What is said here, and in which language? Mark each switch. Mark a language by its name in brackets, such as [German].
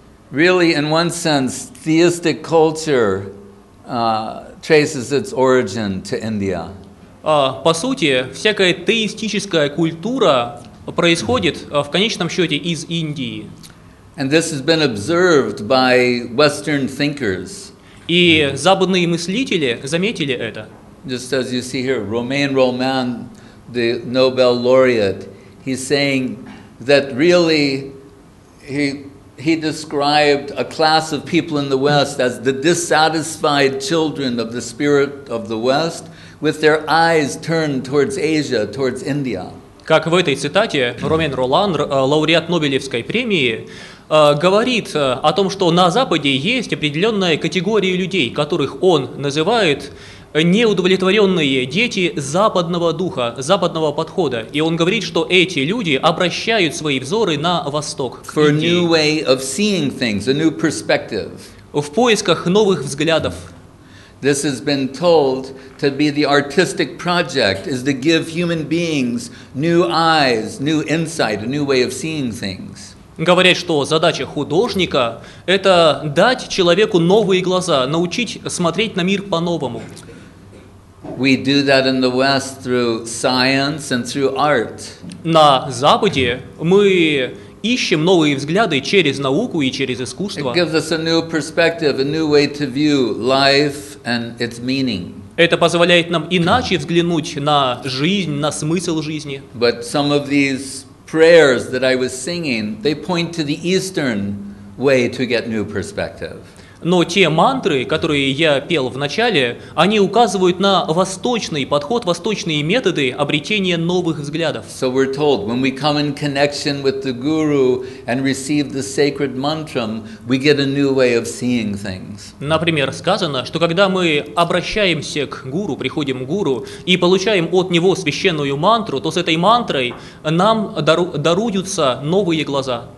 [English] Really, in one sense, theistic culture traces its origin to India. [Russian] По сути, всякая теистическая культура происходит в конечном счете из Индии. [English] And this has been observed by Western thinkers. [Russian] И западные мыслители заметили это. [English] Just as you see here, Romain Rolland, the Nobel laureate, he's saying that really he described a class of people in the West as the dissatisfied children of the spirit of the West, with their eyes turned towards Asia, towards India. [Russian] Как в этой цитате Ромен Ролан, лауреат Нобелевской премии, говорит о том, что на Западе есть определенная категория людей, которых он называет неудовлетворенные дети западного духа, западного подхода. И он говорит, что эти люди обращают свои взоры на восток. [English] For a new way of seeing things, a new perspective. [Russian] В поисках новых взглядов. [English] This has been told to be the artistic project, is to give human beings new eyes, new insight, a new way of seeing things. [Russian] Говорят, что задача художника – это дать человеку новые глаза, научить смотреть на мир по-новому. [English] We do that in the West through science and through art. [Russian] На Западе мы ищем новые взгляды через науку и через искусство. [English] It gives us a new perspective, a new way to view life and its meaning. [Russian] Это позволяет нам иначе взглянуть на жизнь, на смысл жизни. [English] But some of these prayers that I was singing, they point to the Eastern way to get new perspective. [Russian] Но те мантры, которые я пел в начале, они указывают на восточный подход, восточные методы обретения новых взглядов. [English] So we're told, when we come in connection with the guru and receive the sacred mantram, we get a new way of seeing things. [Russian] Например, сказано, что когда мы обращаемся к гуру, приходим к гуру и получаем от него священную мантру, то с этой мантрой нам даруются новые глаза.